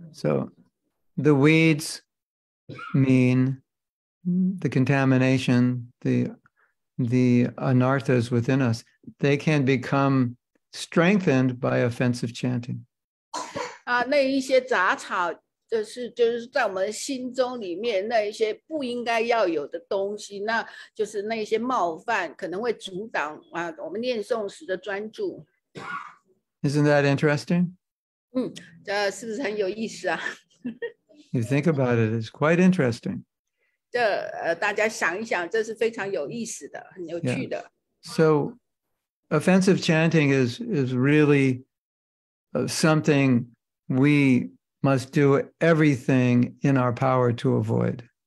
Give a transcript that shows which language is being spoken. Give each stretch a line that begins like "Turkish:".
English: So the weeds mean the contamination, the anarthas within us. They can become strengthened by offensive chanting.
Chinese: 那一些杂草，就是在我们心中里面那一些不应该要有的东西，那就是那些冒犯，可能会阻挡我们念诵时的专注。
English: Isn't that interesting?
Chinese: 这是不是很有意思啊？
English: You think about it, it's quite interesting.
Chinese: 大家想一想，这是非常有意思的，很有趣的。
English: So offensive chanting is really something we must do everything in our power to avoid.